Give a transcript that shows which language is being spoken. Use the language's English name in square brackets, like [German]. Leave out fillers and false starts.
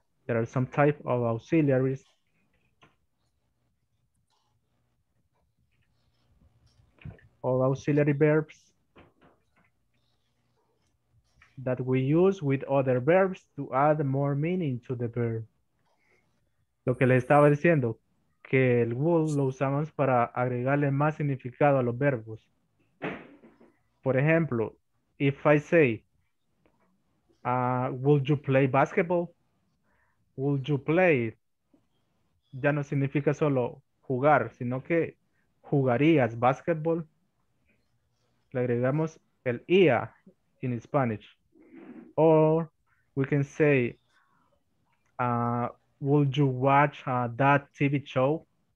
[English] There are some type of auxiliaries. All auxiliary verbs that we use with other verbs to add more meaning to the verb. [Spanish] Lo que les estaba diciendo, que el will lo usamos para agregarle más significado a los verbos. Por ejemplo, [English] if I say, will you play basketball? Will you play? [Spanish] Ya no significa solo jugar, sino que jugarías basketball. Le agregamos el ia [English] in Spanish. Or we can say, would you watch that TV show?